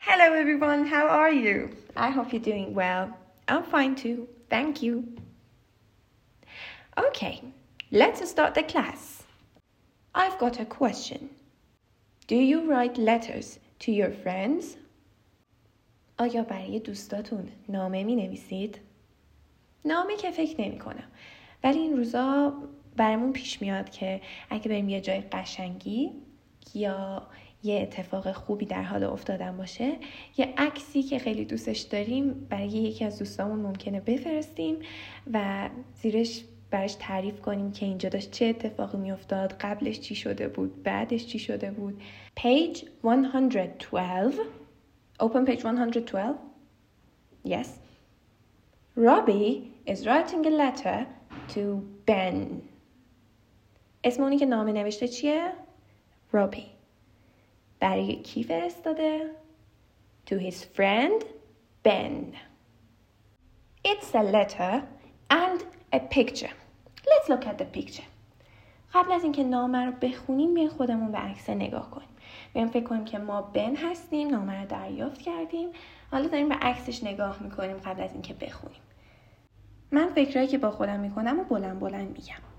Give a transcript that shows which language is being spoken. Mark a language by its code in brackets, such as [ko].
[en] Hello everyone, how are you? I hope you're doing well. I'm fine too, thank you. Okay, let's start the class. I've got a question. Do you write letters to your friends? [fa] آیا برای دوستاتون نامه می نویسید؟ نامه که فکر نمی کنم. ولی این روزا برامون پیش میاد که اگه بریم یه جای قشنگی یا یه اتفاق خوبی در حال افتادن باشه، یه عکسی که خیلی دوستش داریم برای یکی از دوستامون ممکنه بفرستیم و زیرش برش تعریف کنیم که اینجا داشت چه اتفاقی می افتاد، قبلش چی شده بود، بعدش چی شده بود. [en] Page 112. Open page 112. Yes. Robbie is writing a letter to Ben. [fa] اسم اونی که نامه نوشته چیه؟ Robbie. برای کی فرستاده؟ [en] To his friend Ben. It's a letter and a picture. Let's look at the picture. [fa] قبل از اینکه نامه رو بخونیم بیاین خودمون به عکس نگاه کنیم. بیاین فکر کنیم که ما بن هستیم، نامه رو دریافت کردیم. حالا داریم به عکسش نگاه میکنیم قبل از اینکه بخونیم. من فکرایی که با خودم میکنم و بلند بلند میگم.